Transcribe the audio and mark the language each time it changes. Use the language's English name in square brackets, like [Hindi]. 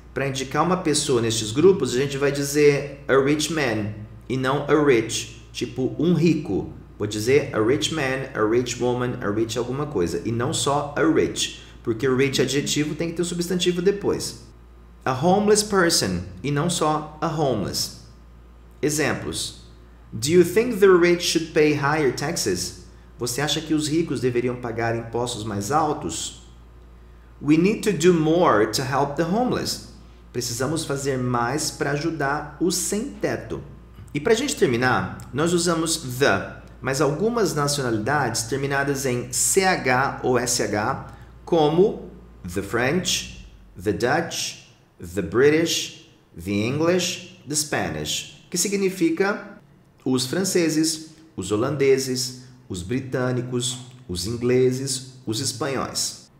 [Portuguese] Para indicar uma pessoa nestes grupos, a gente vai dizer a rich man e não a rich, tipo um rico. Vou dizer a rich man, a rich woman, a rich alguma coisa e não só a rich, porque rich adjetivo tem que ter o substantivo depois. [English] A homeless person [Portuguese] e não só [English] a homeless. [Portuguese] Exemplos. [English] Do you think the rich should pay higher taxes? [Portuguese] Você acha que os ricos deveriam pagar impostos mais altos? [English] We need to do more to help the homeless. [Portuguese] Precisamos fazer mais para ajudar o sem teto. E para a gente terminar, nós usamos the, mas algumas nacionalidades terminadas em CH ou SH, como the French, the Dutch, the British, the English, the Spanish, que significa os franceses, os holandeses, os britânicos, os ingleses, os espanhóis.